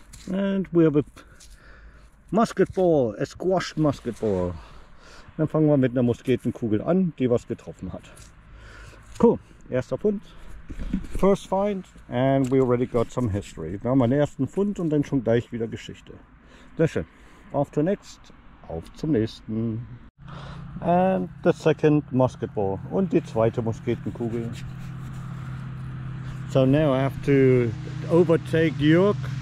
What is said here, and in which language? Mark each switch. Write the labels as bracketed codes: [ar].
[en] And we have a musket ball, a squash musket ball. [de] Dann fangen wir mit einer Musketenkugel an, die was getroffen hat. Cool, erster Punkt. [en] First find and we already got some history. [de] Wir haben einen ersten Fund und dann schon gleich wieder Geschichte. Sehr schön. Auf zum nächsten. Auf zum nächsten. [en] And the second musket ball. [de] Und die zweite Musketenkugel. [en] So now I have to overtake Jörg.